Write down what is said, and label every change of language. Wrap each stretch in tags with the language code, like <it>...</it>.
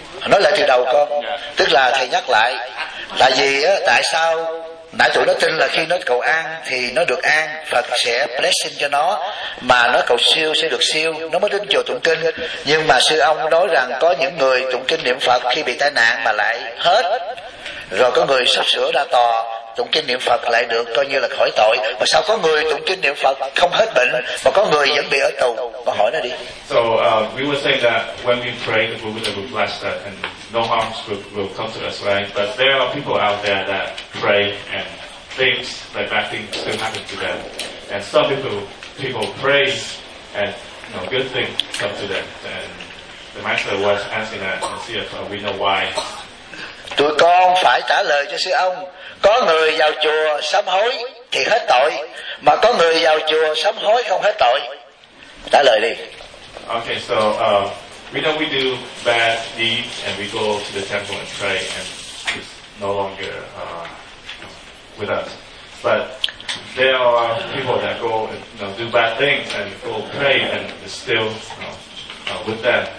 <vi>Nói lại từ đầu con, tức là thầy nhắc lại, tại vì tại sao nãy tụi nó tin là khi nó cầu an thì nó được an, Phật sẽ blessing cho nó, mà nó cầu siêu sẽ được siêu, nó mới đến chùa tụng kinh. Nhưng mà sư ông nói rằng có những người tụng kinh niệm Phật khi bị tai nạn mà lại hết, rồi có người sắp sửa ra tòa tụng kinh niệm Phật lại được coi như là khỏi tội, mà sao có người tụng kinh niệm Phật không hết bệnh mà có người vẫn bị ở tù? Mà hỏi nó đi.</vi> <en>So we were saying that when we pray, the Buddha will bless that and no harms will come to us, right? But there are people out there that pray and things like bad things still happen to them, and some people pray and good things come to them. And the master was asking that and see if we know why.</en> <vi>Tụi con phải trả lời cho sư ông. Có người vào chùa sám hối thì hết tội, mà có người vào chùa sám hối không hết tội. Trả lời đi.</vi> <en>Okay, so we know we do bad deeds and we go to the temple and pray and it's no longer with us. But there are people that go and do bad things and go pray and it's still with them.</en>